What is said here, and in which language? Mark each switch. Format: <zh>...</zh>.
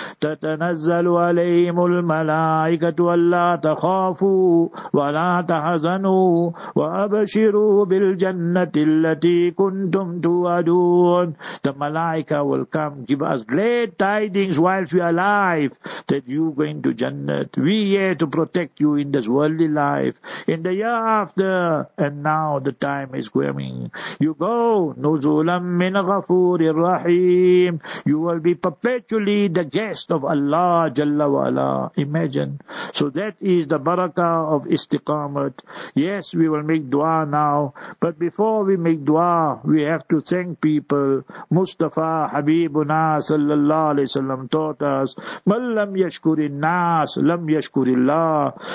<ar>تَتَنَزَّلُ عَلَيْهِمُ الْمَلَائِكَةُ وَاللَّا تَخَافُوا وَلَا تَحَزَنُوا وَأَبَشِرُوا بِالْجَنَّةِ الَّتِي كُنْتُمْ تُوَدُونَ.</ar> <en>The malaika will come, give us glad tidings whilst we are alive that you going to Jannah. We here to protect you in this worldly life, in the year after, and now the time is coming. You go,</en> <ar>نُزُولًا مِّن غَفُورٍ رَّحِيمٍ.</ar> <en>You will be perpetually the guest of Allah Jalla Wala. Imagine. So that is the barakah of istiqamat. Yes, we will make dua now. But before we make dua, we have to thank people.</en> <ar>Mustafa Habibuna Sallallahu Alaihi Wasallam</ar> <en>taught us,</en> <ar>مَن لَمْ يَشْكُرِ النَّاسِ لَمْ يَشْكُرِ اللَّهِ.</ar>